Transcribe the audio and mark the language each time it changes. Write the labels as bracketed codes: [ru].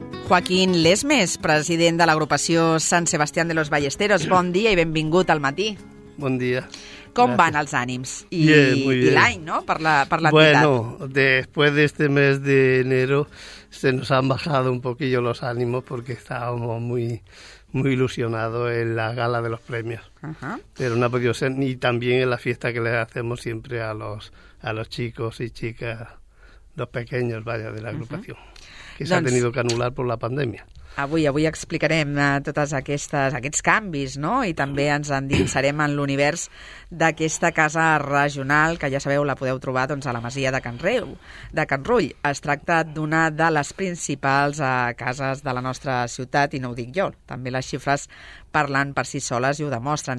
[ca] Joaquín Lesmes, president de l'agrupació Sant Sebastián de los Ballesteros. Bon dia i benvingut al matí. Bon dia. Com van els ànims? [es] Bien, muy bien. [ca] I l'any, no?, per l'entitat. [es] Bueno, después de este mes de enero se nos han bajado un poquillo los ánimos porque estábamos muy, muy ilusionados en la gala de los premios. Pero no ha podido ser, ni también en la fiesta que le hacemos siempre a los chicos y chicas, los pequeños, vaya, de la agrupación. [ca] Que s'ha tenido que anul·lar per la pandèmia. Avui explicarem totes aquests canvis, no? I també ens endinsarem en l'univers d'aquesta casa regional, que ja sabeu, la podeu trobar doncs, a la Masia de Can Reu, de Can Rull. Es tracta d'una de les principals cases de la nostra ciutat, i no ho dic jo, també les xifres parlen per si soles i ho demostren.